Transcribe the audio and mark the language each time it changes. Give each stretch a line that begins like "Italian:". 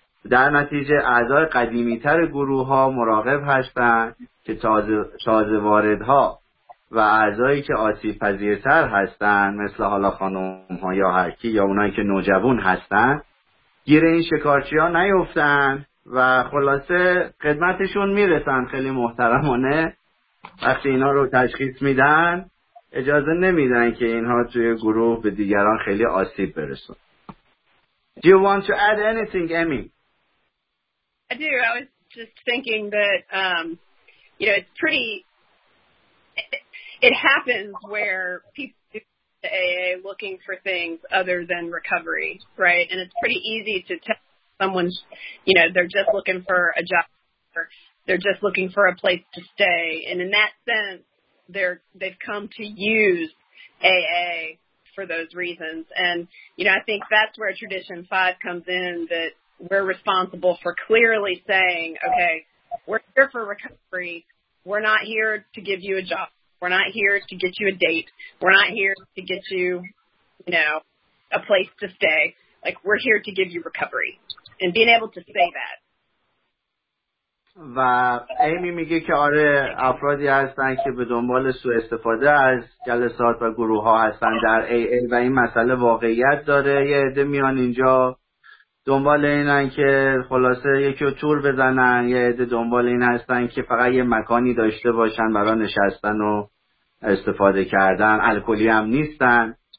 Persian: در نتیجه اعضای قدیمی تر گروه ها مراقب هستن که تازه وارد ها و اعضایی که آسیب پذیرتر هستن، مثل حالا خانم ها یا هرکی یا اونایی که نوجوان هستن، گیر این شکارچی ها نیفتن و خلاصه خدمتشون میرسن خیلی محترمانه. وقتی اینا رو تشخیص میدن، اجازه نمیدن که اینها توی گروه به دیگران خیلی آسیب برسون.
English: Do you want to add anything, Amy? I do. I was just thinking that, you know, it's pretty, it happens where people do the AA looking for things other than recovery, right? And it's pretty easy to tell someone, you know, they're just looking for a job, or they're just looking for a place to stay. And in that sense, they've come to use AA for those reasons. And, you know, I think that's where Tradition 5 comes in, that we're responsible for clearly saying, okay, we're here for recovery. We're not here to give you a job. We're not here to get you a date. We're not here to get you, you know, a place to stay. Like, we're here to give you recovery. And being able to say that.
Persian: و ایمی میگه که آره، افرادی هستن که به دنبال سوء استفاده از جلسات و گروه ها هستن در AA و این مسئله واقعیت داره. یه عده میان اینجا دنبال اینن که خلاصه یکی رو تور بزنن، یه عده دنبال این هستن که فقط یه مکانی داشته باشن برای نشستن و استفاده کردن، الکلی هم نیستن.